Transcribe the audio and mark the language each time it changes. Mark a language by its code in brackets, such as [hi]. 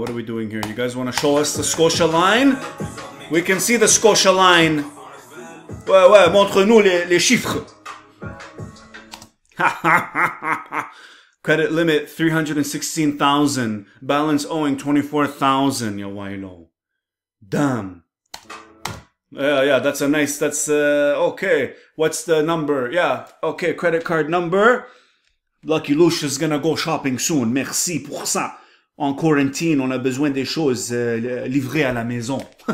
[en] What are we doing here? You guys want to show us the Scotia line? We can see the Scotia line. [fr] Ouais, ouais, montre-nous les chiffres. [en] Credit limit 316,000. Balance owing 24,000. Yo, why no? Damn. Yeah, that's a nice. That's okay. What's the number? Yeah, okay. Credit card number. Lucky Loush is gonna go shopping soon. [fr] Merci pour ça. En quarantine, on a besoin des choses livrées à la maison.